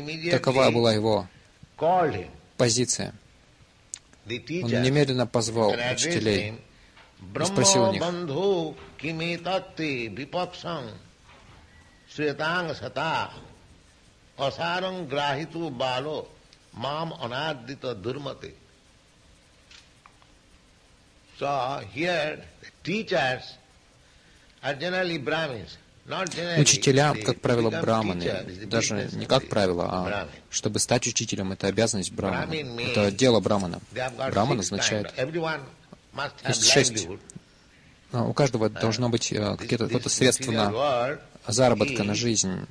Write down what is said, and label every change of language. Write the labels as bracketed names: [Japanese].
[Russian] Такова была его позиция. Он немедленно позвал учителей и спросил у них. [Sanskrit] Мам анардита дурмате. [English] So here teachers are generally brahmins, not generally. [Russian] Учителя, как правило, браманы. Даже не как правило, а чтобы стать учителем, это обязанность брахмана. Это дело брахмана. Брахман означает. Есть шесть. У каждого должно быть какое-то средство на заработка на жизнь.